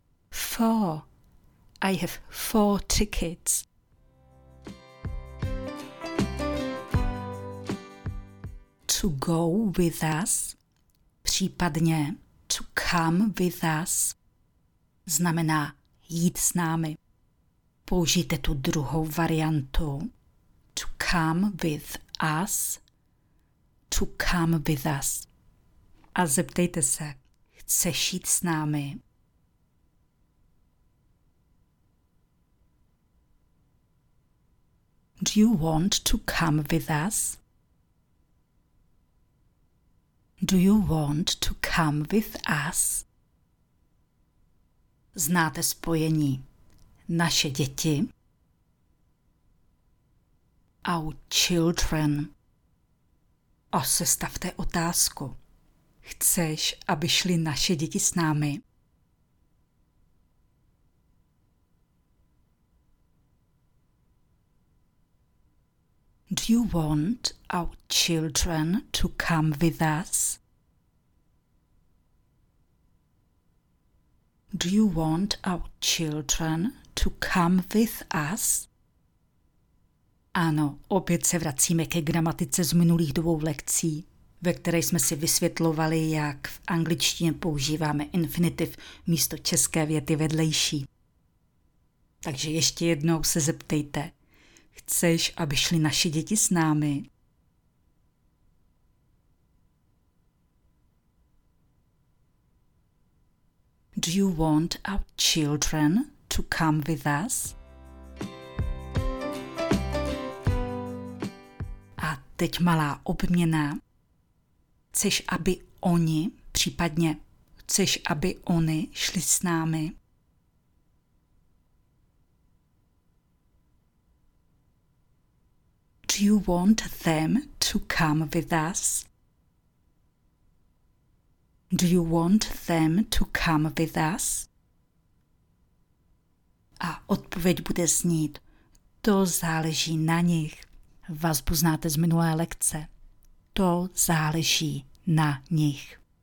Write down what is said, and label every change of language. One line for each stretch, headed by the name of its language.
English: Four. I have 4 tickets. To go with us,
Czech: případně
English: to come with us,
Czech: znamená jít s námi. Použijte tu druhou variantu.
English: To come with us, to come with us.
Czech: A zeptejte se, chceš jít s námi?
English: Do you want to come with us? Do you want to come? come with us.
Czech: Znáte spojení naše děti?
English: Our children.
Czech: A sestavte otázku. Chceš, aby šly naše děti s námi?
English: Do you want our children to come with us? Do you want our children to come with us?
Czech: Ano, opět se vracíme ke gramatice z minulých dvou lekcí, ve které jsme si vysvětlovali, jak v angličtině používáme infinitiv místo české věty vedlejší. Takže ještě jednou se zeptejte. Chceš, aby šly naše děti s námi?
English: Do you want our children to come with us?
Czech: A teď malá obměna. Chceš, aby oni, případně chceš, aby oni šli s námi?
English: Do you want them to come with us? Do you want them to come with us?
Czech: A odpověď bude znít, to záleží na nich. Vazbu znáte z minulé lekce. To záleží na nich.